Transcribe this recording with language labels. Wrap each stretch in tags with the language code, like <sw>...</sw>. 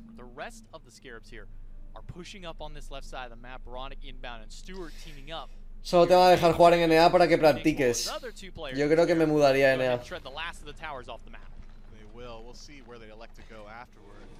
<en>The rest of the Scarabs here are pushing up on this left side of the map. Ronic inbound and Stuart teaming up.</en> <es>Solo te va a dejar jugar en NA para que practiques. Yo creo que me mudaría a NA.</es> <en>The last of the towers off the map. We'll see where they elect to go afterward.</en>